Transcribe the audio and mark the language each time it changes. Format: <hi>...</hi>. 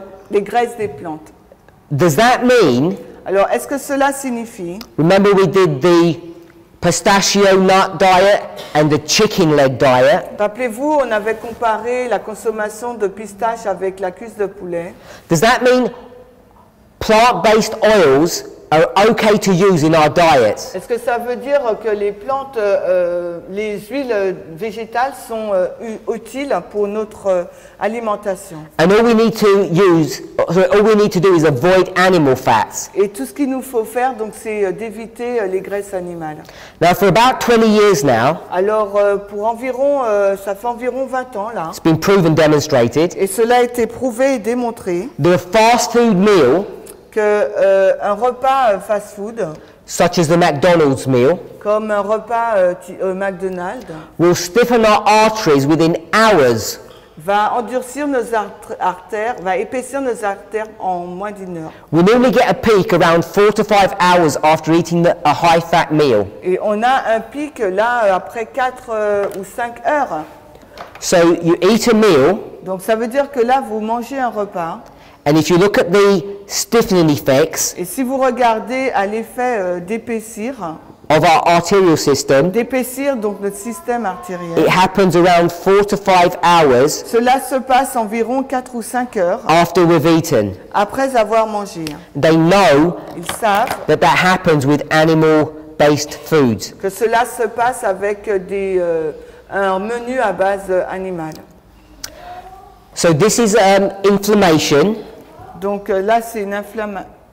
<fr>les graisses des plantes.</fr> <en>Does that mean?</en> <fr>Alors, est-ce que cela signifie?</fr> <en>Remember, we did the pistachio nut diet and the chicken leg diet.</en> <fr>Rappelez-vous, on avait comparé la consommation de pistache avec la cuisse de poulet.</fr> <en>Does that mean plant-based oils are okay to use in our diets?</en> <fr>Est-ce que ça veut dire que les plantes, les huiles végétales sont utiles pour notre alimentation?</fr> <en>And all we need to use, all we need to do is avoid animal fats.</en> <fr>Et tout ce qu'il nous faut faire, donc, c'est d'éviter les graisses animales.</fr> <en>Now, for about 20 years now,</en> <fr>alors, pour environ, ça fait environ 20 ans, là,</fr> <en>it's been proven, demonstrated,</en> <fr>et cela a été prouvé et démontré,</fr> <en>the fast food meal,</en> <fr>un repas fast food,</fr> <en>such as the McDonald's meal,</en> <fr>comme un repas McDonald's,</fr> <en>will stiffen our arteries within hours.</en> <fr>Va endurcir nos artères, va épaissir nos artères en moins d'une heure.</fr> <en>We normally get a peak around 4 to 5 hours after eating a high-fat meal.</en> <fr>Et on a un pic là après 4 ou 5 heures.</fr> <en>So you eat a meal.</en> <fr>Donc ça veut dire que là vous mangez un repas.</fr> <en>And if you look at the stiffening effects,</en> <fr>et si vous regardez à l'effet d'épaissir,</fr> <en>of our arterial system,</en> <fr>d'épaissir donc notre système artériel,</fr> <en>it happens around 4 to 5 hours.</en> <fr>Cela se passe environ 4 ou 5 heures.</fr> <en>After we've eaten,</en> <fr>après avoir mangé,</fr> <en>they know,</en> <fr>ils savent,</fr> <en>that that happens with animal-based foods.</en> <fr>Que cela se passe avec des un menu à base animale.</fr> <en>So this is inflammation.</en> <fr>Donc là c'est une inflammation.</fr>